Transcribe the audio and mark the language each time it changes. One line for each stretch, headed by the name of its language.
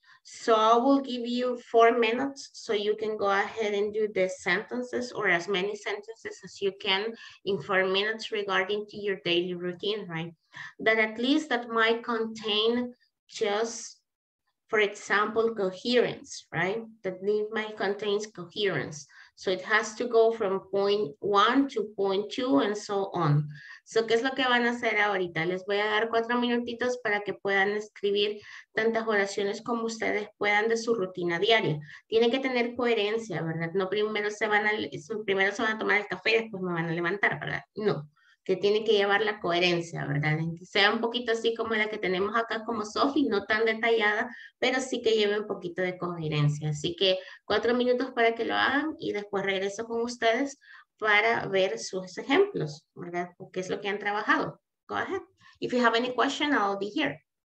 English: So I will give you 4 minutes so you can go ahead and do the sentences or as many sentences as you can in 4 minutes regarding to your daily routine, right? That at least that might contain just, for example, coherence, right? That might contain coherence. So it has to go from point one to point two and so on.
Spanish: So, ¿qué es lo que van a hacer ahorita? Les voy a dar 4 minutitos para que puedan escribir tantas oraciones como ustedes puedan de su rutina diaria. Tienen que tener coherencia, ¿verdad? No primero se van a, primero se van a tomar el café y después me van a levantar, ¿verdad? No, que tienen que llevar la coherencia, ¿verdad? Que sea un poquito así como la que tenemos acá como Sophie, no tan detallada, pero sí que lleve un poquito de coherencia. Así que 4 minutos para que lo hagan y después regreso con ustedes para ver sus ejemplos, ¿verdad? ¿Qué es lo que han trabajado?
English: Go ahead. If you have any question, I'll be here.